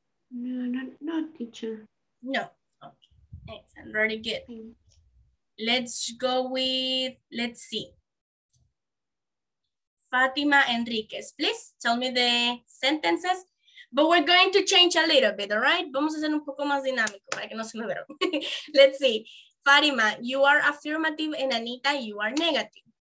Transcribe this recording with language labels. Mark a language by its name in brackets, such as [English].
[English] No, not teacher. No. Okay. Excellent. Very good. Let's go with, let's see. Fatima Enriquez, please tell me the sentences. But we're going to change a little bit, all right? [Spanish] Vamos a hacer un poco más dinámico para que no se me vea. [English] Let's see. Fatima, you are affirmative and Anita, you are negative.